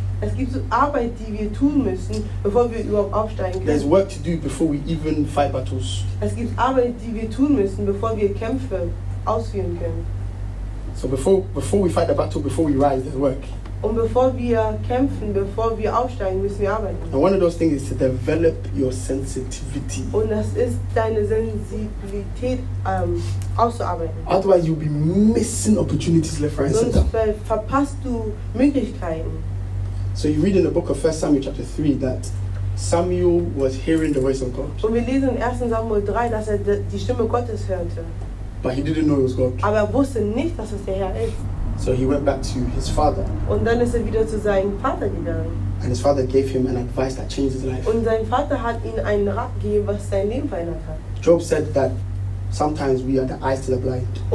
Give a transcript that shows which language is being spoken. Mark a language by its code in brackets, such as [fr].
[de] Es gibt Arbeit, die wir tun müssen, bevor wir überhaupt aufsteigen können. [en] There's work to do before we even fight battles. [de] Es gibt Arbeit, die wir tun müssen, bevor wir Kämpfe ausführen können. [en] So before we fight the battle, before we rise, there's work. [de] Und bevor wir kämpfen, bevor wir aufsteigen, müssen wir arbeiten. [en] And one of those things is to develop your sensitivity. [de] Und das ist deine Sensibilität auszuarbeiten. [en] Otherwise you'll be missing opportunities left, right, [de] sonst [en] and center. [de] Sonst verpasst du Möglichkeiten. [en] So you read in the book of 1 Samuel chapter 3 that Samuel was hearing the voice of God. [de] Und wir lesen in 1 Samuel 3, dass die Stimme Gottes hörte. [en] But he didn't know it was God. [de] Aber wusste nicht, dass es der Herr ist. [en] So he went back to his father. [de] Und dann ist wieder zu seinem Vater gegangen. [en] And his father gave him an advice that changed his life. [de] Und sein Vater hat ihm einen Rat gegeben, was sein Leben verändert hat. [en] Job said that sometimes we are the eyes to the blind.